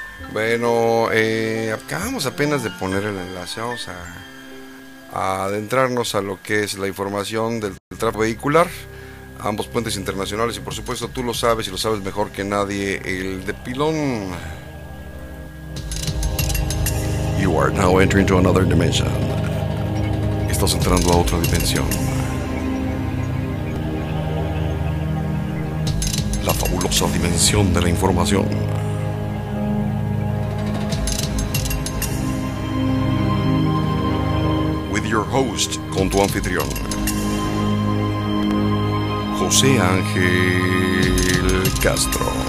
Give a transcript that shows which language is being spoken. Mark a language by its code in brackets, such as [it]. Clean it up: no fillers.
[es] Bueno, acabamos apenas de poner el enlace. Vamos a adentrarnos a lo que es la información del tráfico vehicular. Ambos puentes internacionales. Y por supuesto tú lo sabes y lo sabes mejor que nadie. El de pilón. [en] You are now entering to another dimension. [es] Estás entrando a otra dimensión. La fabulosa dimensión de la información. [en] With your host, [es] con tu anfitrión, [en] José Ángel Castro.